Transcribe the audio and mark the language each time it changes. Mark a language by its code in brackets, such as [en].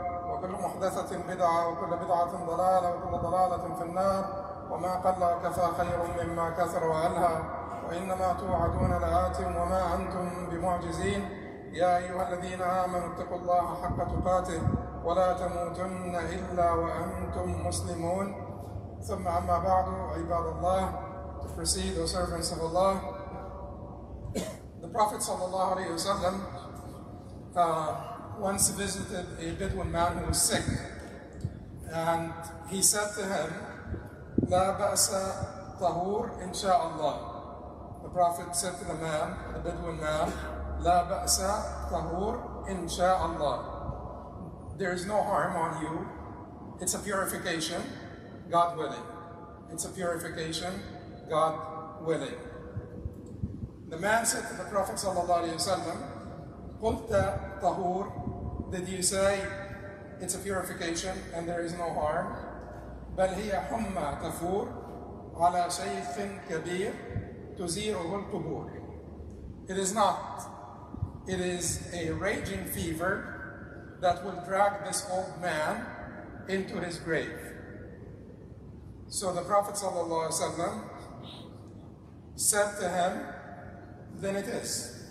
[ar] وكل محدثة بدعة وكل بدعة ضلالة وكل ضلالة في النار وما قل وكفى خير مما كثر وعلها وإنما توعدون لآت وما أنتم بمعجزين يا أيها الذين آمنوا اتقوا الله حق تقاته ولا تموتن إلا وأنتم مسلمون ثم أما بعد عباد الله [en] to proceed, O servants of Allah. The Prophet صلى الله عليه وسلم once visited a Bedouin man who was sick, and he said to him, [ar] "La ba'asa tahur, insha'Allah." [en] The Prophet said to the man, the Bedouin man, [ar] "La ba'asa tahur, insha'Allah." [en] There is no harm on you. It's a purification, God willing. It's a purification, God willing. The man said to the Prophet sallallahu alayhi wa sallam, [ar] "Qulta tahur." [en] Did you say it's a purification and there is no harm? [ar] بل هي حمى تفور على شيخ كبير تزيره القبور. [en] It is not. It is a raging fever that will drag this old man into his grave. So the Prophet ﷺ said to him, then it is.